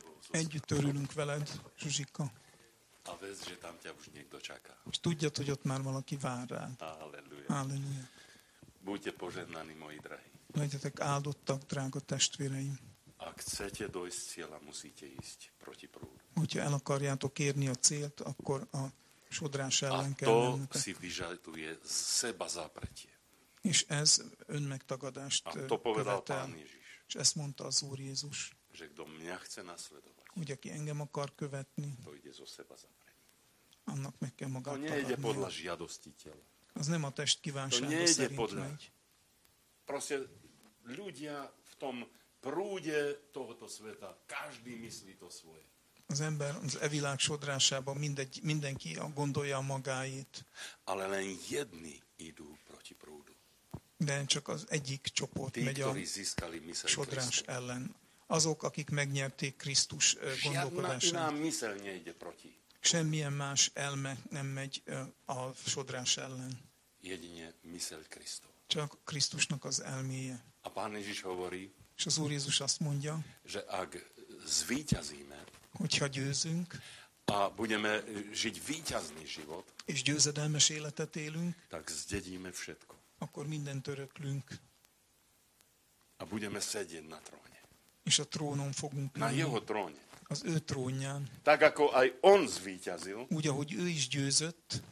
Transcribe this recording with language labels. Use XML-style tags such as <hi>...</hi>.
<hu>Együtt örülünk veled, Zsuzsika.</hu> <sk>A vezd, že tam ťa už niekto čaká.</sk> <hu>És tudjad, hogy ott már valaki vár rád.</hu> <sk>Halleluja. Buďte požehnaní, moji drahí.</sk> <hu>Legyetek áldottak, drága testvéreim.</hu> <sk>A chcete dojsť cieľa, musíte ísť proti prúdu.</sk> <hu>Hogyha el akarjátok érni a célt, akkor a sodrás ellen kell mennetek.</hu> <sk>A to si vyžaduje seba zapretie.</sk> <hu>És ez önmegtagadást követel.</hu> <sk>A to povedal Pán Ježiš.</sk> <hu>És ezt mondta az Úr Jézus.</hu> <sk>Že kdo mňa chce nasledovať.</sk> <hu>Hogy aki engem akar követni.</hu> <sk>To ide zo seba zapretie.</sk> <hu>Annak meg kell magát találni.</hu> <sk>To nejde podľa žiadosti tela.</sk> <hu>Az nem a test kívánsága szerint megy.</hu> <sk>Podľa. Proste ľudia v tom prúde tohoto sveta, každý myslí to svoje.</sk> <hu>Az ember az e világ sodrásában mindenki gondolja magáit.</hu> <sk>Ale len jedni idú proti prúdu.</sk> <hu>De csak az egyik csoport</hu> <sk>tí,</sk> <hu>megy a sodrás Krisztus ellen. Azok, akik megnyerték Krisztus gondolkodását.</hu> <sk>Žiadna iná myseľ nejde proti.</sk> <hu>Semmilyen más elme nem megy a sodrás ellen.</hu> <sk>Jedine myseľ Krisztus.</sk> <hu>Csak Krisztusnak az elméje.</hu> <sk>A Pán Ježiš hovorí,</sk> <hu>és az Úr Jézus azt mondja,</hu> <sk>že ak zvíťazíme,</sk> <hu>hogyha győzünk,</hu> <sk>a budeme žiť víťazný život,</sk> <hu>és győzedelmes életet élünk,</hu> <sk>tak zdedíme všetko.</sk> <hu>Akkor mindent öröklünk.</hu> <sk>A budeme sedieť na tróne.</sk> <hu>És a trónon fogunk</hu> <sk>na</sk> <hu>lenni.</hu> <sk>Jeho tróne.</sk> <hu>Az ő trónján.</hu> <sk>Tak ako aj on zvíťazil.</sk> <hu>Úgy, ahogy ő is győzött.</hu>